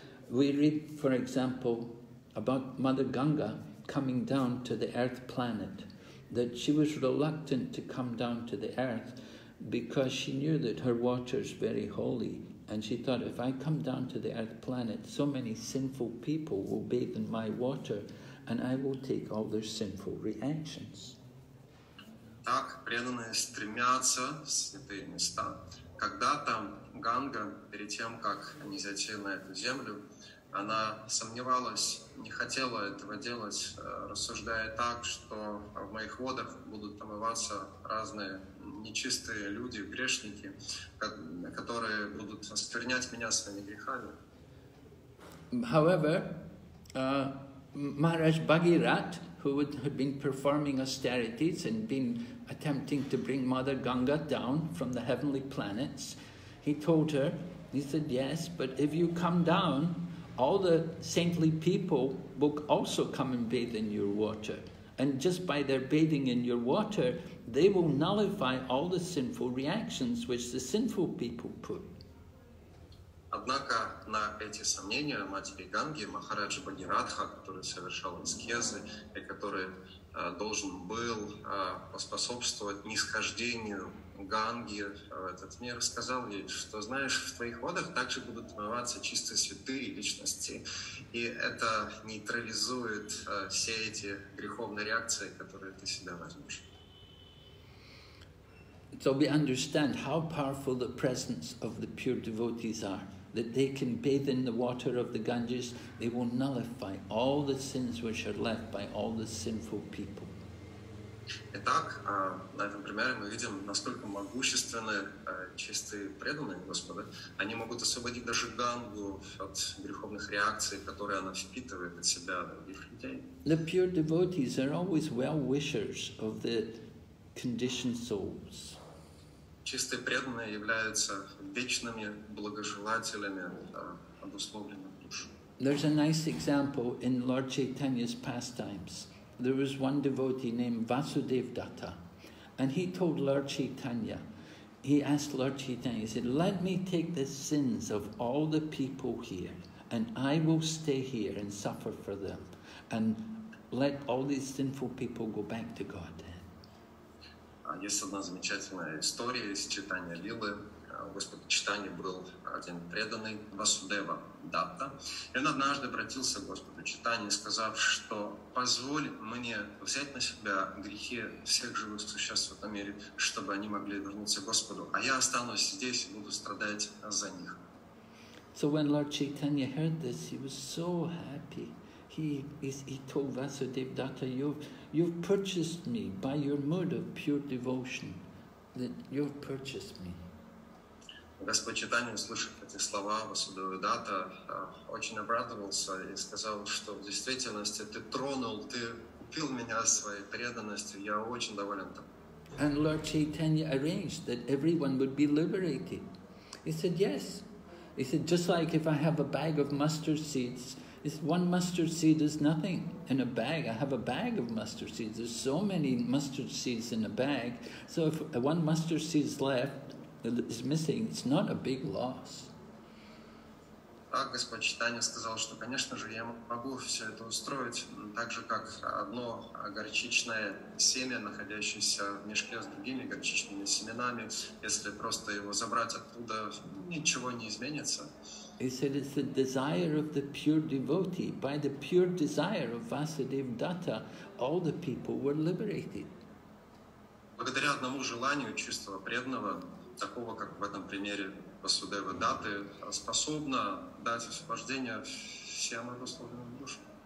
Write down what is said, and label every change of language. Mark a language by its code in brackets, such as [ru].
[en] We read, for example, about Mother Ganga coming down to the earth planet, that she was reluctant to come down to the earth because she knew that her water is very holy. And she thought, if I come down to the earth planet, so many sinful people will bathe in my water and I will take all their sinful reactions. [ru] Так преданные стремятся в святые места. Когда там Ганга, перед тем, как они зайти на эту землю, она сомневалась, не хотела этого делать, рассуждая так, что в моих водах будут омываться разные нечистые люди, грешники, которые будут осквернять меня своими грехами. [en] However, Maharaj Bhagirath, who would have been performing austerities and been attempting to bring Mother Ganga down from the heavenly planets, he told her, he said, yes, but if you come down, all the saintly people will also come and bathe in your water. And just by their bathing in your water, they will nullify all the sinful reactions which the sinful people put. [ru] Однако на эти сомнения матери Ганги, Махараджа Багиратха, который совершал аскезы и который должен был поспособствовать нисхождению Ганги в этот мир, сказал ей, что, знаешь, в твоих водах также будут омываться чистые святые личности, и это нейтрализует все эти греховные реакции, которые ты себя возьмешь. [en] So we understand how powerful the presence of the pure devotees are, that they can bathe in the water of the Ganges, they will nullify all the sins which are left by all the sinful people. [ru] Итак, на этом примере мы видим, насколько могущественны чистые преданные Господа. Они могут освободить даже Гангу от греховных реакций, которые она впитывает от себя других людей. [en] The pure devotees are always well-wishers of the conditioned souls. [ru] Чистые преданные являются вечными благожелателями обусловленных душ. [en] There's a nice example in Lord Chaitanya's pastimes. There was one devotee named Vasudev Datta, and he told Lord Chaitanya, he asked Lord Chaitanya, he said, let me take the sins of all the people here, and I will stay here and suffer for them, and let all these sinful people go back to God. [ru] Есть одна замечательная история из Читания Лилы. Господь Читания был один преданный Васудева Датта. И он однажды обратился к Господу Читания, сказав, что позволь мне взять на себя грехи всех живых существ в этом мире, чтобы они могли вернуться к Господу. А я останусь здесь и буду страдать за них. [en] So when Lord Chaitanya heard this, he was so happy. He told Vasudev Datta, you've purchased me by your mood of pure devotion, that you've purchased me. [ru] Господь Читания, услышав эти слова Васудева Датта, очень обрадовался и сказал, что в действительности ты тронул, ты купил меня своей преданностью, я очень доволен тобой. [en] And Lord Chaitanya arranged that everyone would be liberated. He said, yes. He said, just like if I have a bag of mustard seeds, it's one mustard seed is nothing in a bag. I have a bag of mustard seeds. There's so many mustard seeds in a bag. So if one mustard seed is left, is missing, it's not a big loss. [ru] Так Господь Читания сказал, что, конечно же, я могу все это устроить так же, как одно горчичное семя, находящееся в мешке с другими горчичными семенами. Если просто его забрать оттуда, ничего не изменится. [en] He said, it's the desire of the pure devotee. By the pure desire of Vasudev Datta, all the people were liberated. [ru] Благодаря одному желанию чистого преданного, такого, как в этом примере Васудева Датты, способна дать освобождение всем обусловленным душам.